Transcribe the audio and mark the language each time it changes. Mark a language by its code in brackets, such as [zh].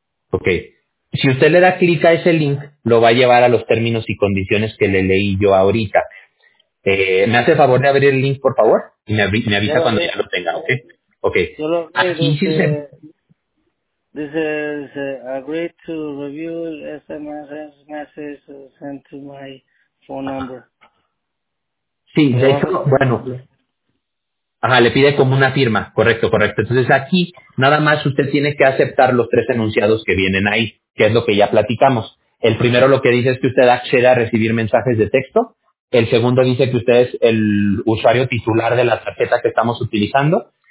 [es] Ok, si usted le da clic a ese link, lo va a llevar a los términos y condiciones que le leí yo ahorita. ¿Me hace el favor de abrir el link, por favor? Y me avisa cuando ya lo tenga, ¿ok? Ok. Aquí sí se... [en] This is agreed to review SMS message sent to my phone number. [es] Sí, de hecho, bueno. Ajá, le pide como una firma, correcto, correcto. Entonces aquí nada más usted tiene que aceptar los tres enunciados que vienen ahí, que es lo que ya platicamos. El primero lo que dice es que usted accede a recibir mensajes de texto. El segundo dice que usted es el usuario titular de la tarjeta que estamos utilizando.